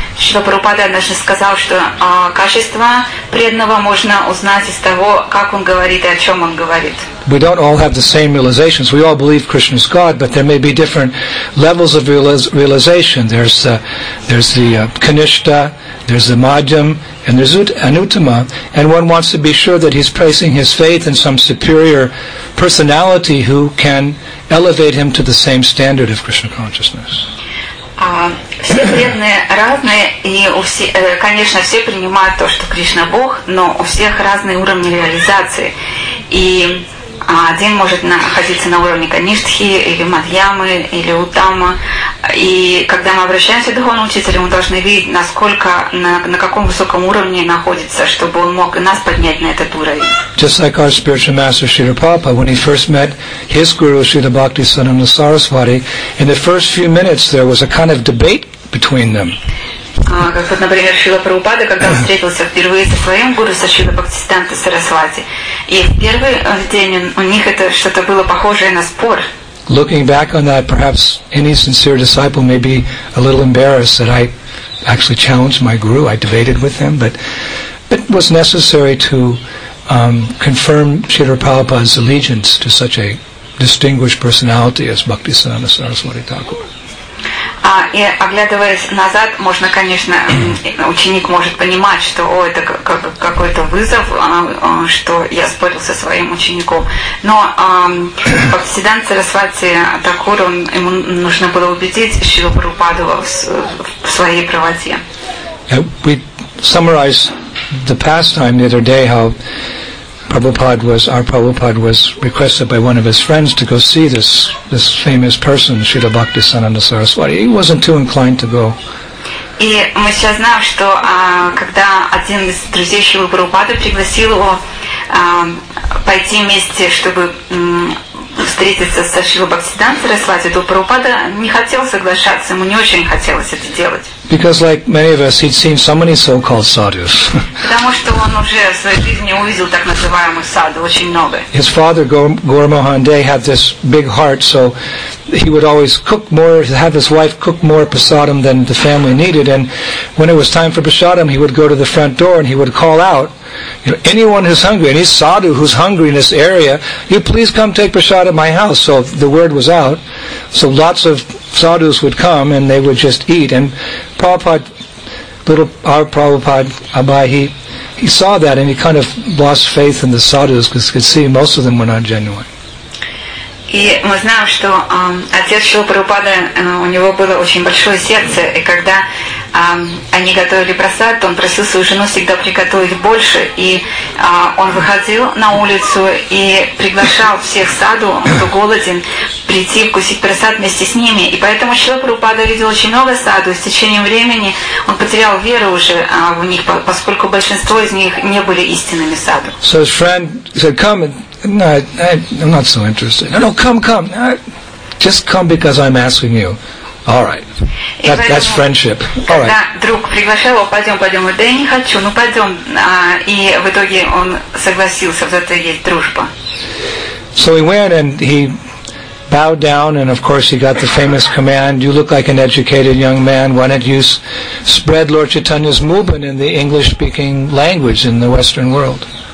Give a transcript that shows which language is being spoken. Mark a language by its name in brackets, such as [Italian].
[Russian] Шрила Прабхупада однажды сказал, что качество преданного можно узнать из того, как он говорит и о чем он говорит. [English] We don't all have the same realizations. We all believe Krishna is God, but there may be different levels of realization. There's the Kanishta, there's the Madhyam, and there's Anuttama, and one wants to be sure that he's placing his faith in some superior personality who can elevate him to the same standard of Krishna consciousness. [Russian] Все преданные разные, и конечно, все принимают то, что Кришна Бог, но у всех разные уровни реализации. И один может находиться на уровне Каништхи, или Мадьямы, или Утама. И когда мы обращаемся к духовному учителю, мы должны видеть, насколько, на каком высоком уровне находится, чтобы он мог нас поднять на этот уровень. [English] Just like our spiritual master Srila Prabhupada, when he first met his guru Srila Bhakti Sananda Sarasvati, in the first few minutes there was a kind of debate between them. [Russian] Как вот, например, Шрила Прабхупада, когда он встретился впервые со своим гуру, со Шрилой Бхактисиддханта Сарасвати. И в первый день у них это что-то было похожее на спор. [English] Looking back on that, perhaps any sincere disciple may be a little embarrassed that I actually challenged my guru, I debated with him, but it was necessary to confirm Srila Prabhupada's allegiance to such a distinguished personality as Bhaktisiddhanta Saraswati Thakur. [Russian] И оглядываясь назад, можно, конечно, ученик может понимать, что это какой-то вызов, что я спорил со своим учеником. Но Бхактисиддханта Сарасвати Такур, ему нужно было убедить Шрилу Прабхупаду в своей правоте. [English] We summarized the pastime the other day how Prabhupada was requested by one of his friends to go see this famous person, Srila Bhakti Sananda Saraswati. He wasn't too inclined to go. [Russian] И мы сейчас знаем, что когда один из друзей Шрилы Прабхупады пригласил его пойти вместе, чтобы встретиться со Шрилой Бхактисиддханта Сарасвати, то Прабхупада не хотел соглашаться, ему не очень хотелось это делать. [English] Because like many of us, he'd seen so many so-called sadhus. [Russian] Потому что он уже в своей жизни увидел так называемых саду очень много. [English] His father, Gaura Mohan Day, had this big heart, so he would always cook more, have his wife cook more prasadam than the family needed, and when it was time for prasadam, he would go to the front door and he would call out, you know, anyone who's hungry, any sadhu who's hungry in this area, you please come take prasad at my house. So the word was out. So lots of sadhus would come and they would just eat. And our Prabhupada Abhai, he saw that and he kind of lost faith in the sadhus because he could see most of them were not genuine. [Russian] И мы знаем, что отец Шрилы Прабхупады, у него было очень большое сердце, и когда они готовили просад, то он просил свою жену всегда приготовить больше, и он выходил на улицу и приглашал всех в саду, кто голоден, прийти вкусить просад вместе с ними. И поэтому Шрила Прабхупада видел очень много саду, и с течением времени он потерял веру уже в них, поскольку большинство из них не были истинными саду. [English] So his friend said, come. No, I'm not so interested. No, come. No, just come because I'm asking you. All right. That's friendship. All right. [Russian] Когда друг приглашал, пойдем. Да я не хочу, ну пойдем. И в итоге он согласился, зато есть дружба. [English] So he went and he bowed down, and of course he got the famous command, you look like an educated young man, why don't you spread Lord Chaitanya's movement in the English-speaking language in the Western world.